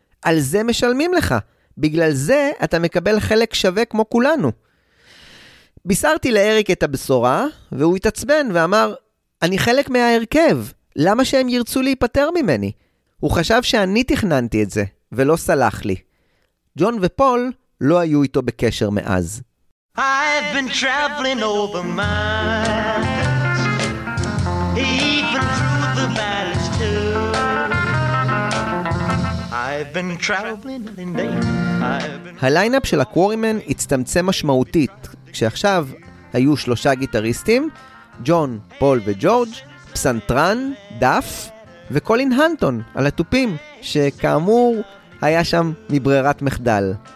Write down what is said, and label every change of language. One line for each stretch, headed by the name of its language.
Hebrew: על זה משלמים לך. בגלל זה אתה מקבל חלק שווה כמו כולנו. בישרתי לאריק את הבשורה, והוא התעצבן ואמר, אני חלק מההרכב. למה שהם ירצו להיפטר ממני? הוא חשב שאני תכננתי את זה, ולא סלח לי. ג'ון ופול לא היו איתו בקשר מאז.
English: I've been traveling over miles, even through the valleys too. I've been traveling in vain.
Hebrew: הליינאפ של הקוורימן הצטמצם משמעותית, כשעכשיו היו שלושה גיטריסטים, ג'ון, פול וג'ורג', פסנטרן, דף וקולין הנטון על התופים שכאמור היה שם מברירת מחדל.